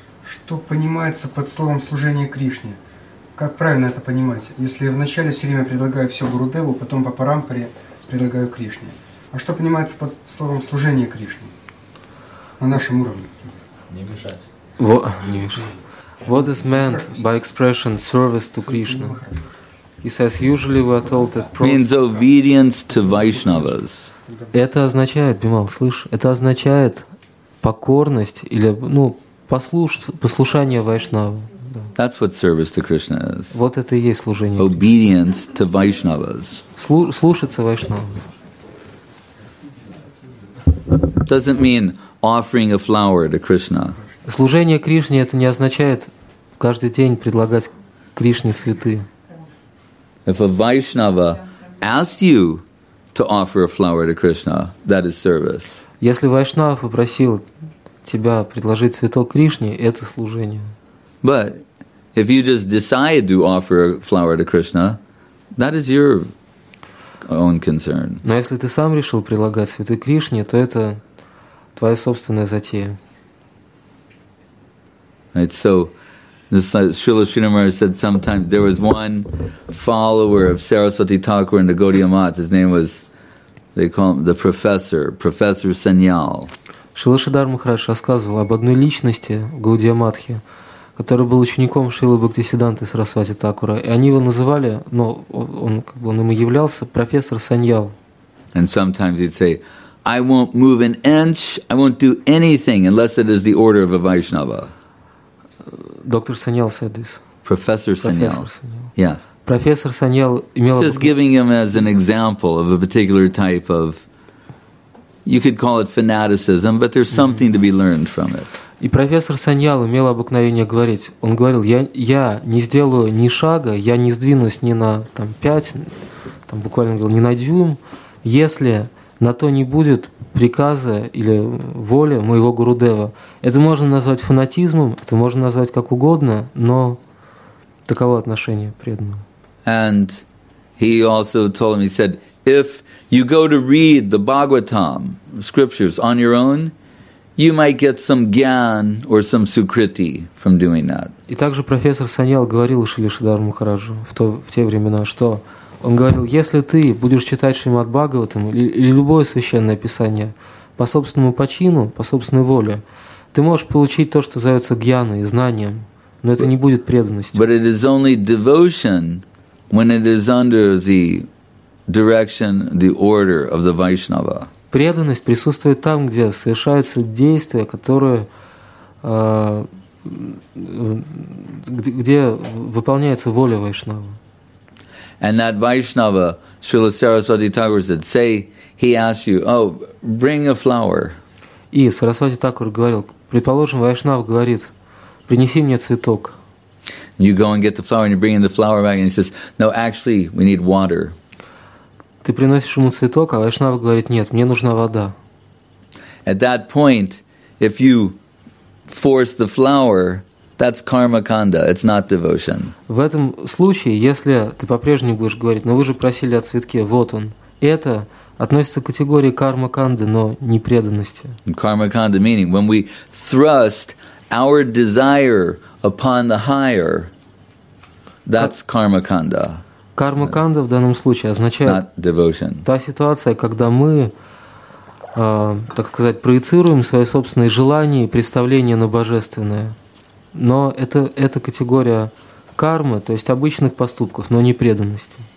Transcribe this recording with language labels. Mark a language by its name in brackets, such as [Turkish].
[Russian] Что понимается под словом служение Кришне? Как правильно это понимать? Если вначале все время предлагаю все Гурудеву, потом по парампаре предлагаю Кришне. А что понимается под словом служение Кришне? На нашем уровне. Не мешать. [English] What is meant by expression service to Krishna? He says, usually we are told that means obedience to Vaishnavas. [Russian] Это означает, Бимал, слышь, это означает покорность или, ну, послушание Вайшнавам. [English] That's what service to Krishna is. [Russian] Вот это и есть служение. [English] Obedience to Vaishnavas. [Russian] Слушаться Вайшнавам. [English] Doesn't mean offering a flower to Krishna. [Russian] Служение Кришне это не означает каждый день предлагать Кришне цветы. [English] If a Vaishnava asked you to offer a flower to Krishna, that is service. [Russian] Если Вайшнава попросил тебя предложить цветок Кришне, это служение. [English] But if you just decide to offer a flower to Krishna, that is your own concern. [Russian] Но если ты сам решил предлагать цветы Кришне, то это твоя собственная затея. [English] Right, so Srila Srinivasa said sometimes there was one follower of Saraswati Thakur in the Gaudiya Math. His name was, they call him the professor, Professor Sanyal. [Russian] Шрила Шридхар Махарадж рассказывал об одной личности в Гаудия Матхе, который был учеником Шрилы Бхактисиддханты Сарасвати Такура. И они его называли, но он, как бы он ему являлся, профессор Саньял. [English] And sometimes he'd say, I won't move an inch, I won't do anything unless it is the order of a Vaishnava. Доктор Саньял said this. Professor Саньял. Yes. [Russian] Профессор Саньял имел... [English] Just giving him as an example of a particular type of, you could call it fanaticism, but there's something to be learned from it. [Russian] И профессор Саньял имел обыкновение говорить. Он говорил: я не сделаю ни шага, я не сдвинусь ни на там пять, там буквально говорил, ни на дюйм, если на то не будет приказа или воли моего Гурудева. Это можно назвать фанатизмом, это можно назвать как угодно, но таково отношение преданного. [English] And he also told him, he said, if you go to read the Bhagavatam scriptures on your own, you might get some gyan or some sukriti from doing that. [Russian] И также профессор Саньял говорил Шриле Шридхар Махараджу в те времена, что он говорил, если ты будешь читать Шримад Бхагаватам или любое священное писание по собственному почину, по собственной воле, ты можешь получить то, что называется гьяной, знанием, но это не будет преданностью. [English] But it is only devotion when it is under the direction, the order of the Vaishnava. [Russian] Преданность присутствует там, где совершается действие, которое, где выполняется воля Вайшнава. [English] And that Vaishnava, Srila Saraswati Thakur said, say he asks you, oh, bring a flower. [Russian] И Сарасвати Такур говорил, предположим, Вайшнав говорит, принеси мне цветок. [English] You go and get the flower, and you bring in the flower back, and he says, no, actually, we need water. [Russian] Ты приносишь ему цветок, а Вайшнав говорит, нет, мне нужна вода. [English] At that point, if you force the flower, that's karma kanda, it's not devotion. [Russian] В этом случае, если ты по-прежнему будешь говорить, но вы же просили о цветке, вот он, это относится к категории карма канды, но не преданности. [English] Karma kanda meaning when we thrust our desire upon the higher, that's karma kanda. [Russian] Карма канда в данном случае означает [English] not devotion. [Russian] Та ситуация, когда мы, так сказать, проецируем свои собственные желания и представления на божественное. Но это категория кармы, то есть обычных поступков, но не преданности.